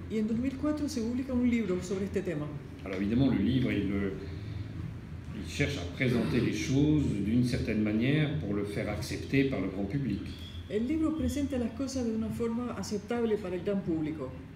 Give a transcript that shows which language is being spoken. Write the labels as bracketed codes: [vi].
[es] Y en 2004 se publica un libro sobre este tema. [fr] Alors évidemment, le livre, il cherche à présenter les choses d'une certaine manière pour le faire accepter par le grand public. [es] El libro presenta las cosas de una forma aceptable para el gran público.